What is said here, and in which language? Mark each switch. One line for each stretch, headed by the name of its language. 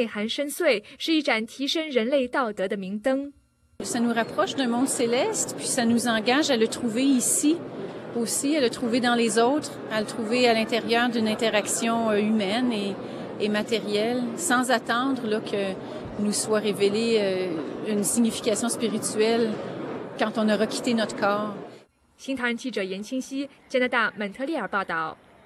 Chinese: 在完美的艺术之上，这位哲学硕士感到神韵内涵深邃，是一盏提升人类道德的明灯。
French: Ça nous rapproche d'un monde céleste, puis ça nous engage à le trouver ici aussi, à le trouver dans les autres, à le trouver à l'intérieur d'une interaction humaine et matérielle, sans attendre là, que nous soit révélée une signification spirituelle quand on aura quitté notre corps.
Chinese: 新唐记者严清溪，加拿大蒙特利尔报道。